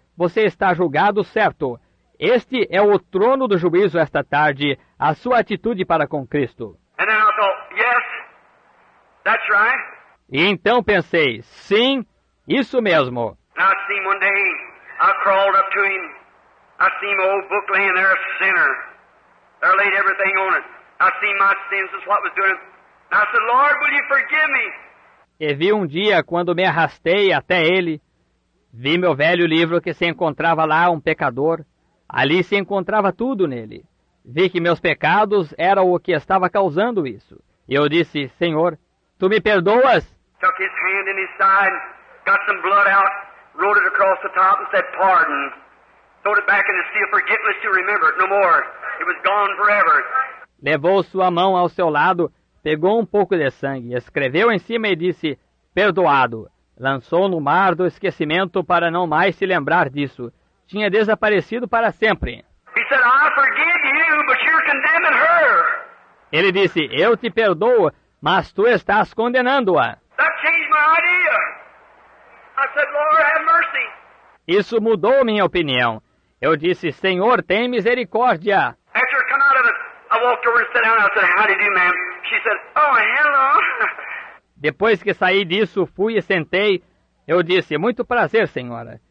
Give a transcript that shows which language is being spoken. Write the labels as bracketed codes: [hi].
[pt] Você está julgado, certo? Este é o trono do juízo esta tarde, a sua atitude para com Cristo. [en] And then I thought, yes, that's right. [pt] E então pensei, sim, isso mesmo. [en] And I see him one day, I crawled up to him, I see my old book laying there, a sinner. There laid everything on it. I see my sins is what was doing it. And I said, Lord, will you forgive me? [pt] E vi um dia, quando me arrastei até ele, vi meu velho livro que se encontrava lá, um pecador. Ali se encontrava tudo nele. Vi que meus pecados eram o que estava causando isso. E eu disse, Senhor, Tu me perdoas? [en] Took his hand in his side, got some blood out, wrote it across the top and said, pardon. Throwed it back in the sea of forgiveness to remember it no more. It was gone forever. [pt] Levou sua mão ao seu lado, pegou um pouco de sangue, escreveu em cima e disse, perdoado. Lançou no mar do esquecimento para não mais se lembrar disso. Tinha desaparecido para sempre. [en] He said, I forgive you, but you're condemning her. [pt] Ele disse, eu te perdoo, mas tu estás condenando-a. [en] That changed my idea. I said, Lord, have mercy. [pt] Isso mudou minha opinião. Eu disse, Senhor, tem misericórdia. [en] After I come out of it, I walked over and sat down and I said, how do you do, ma'am? She said, oh, hello. [pt] Depois que saí disso, fui e sentei. Eu disse, muito prazer, senhora.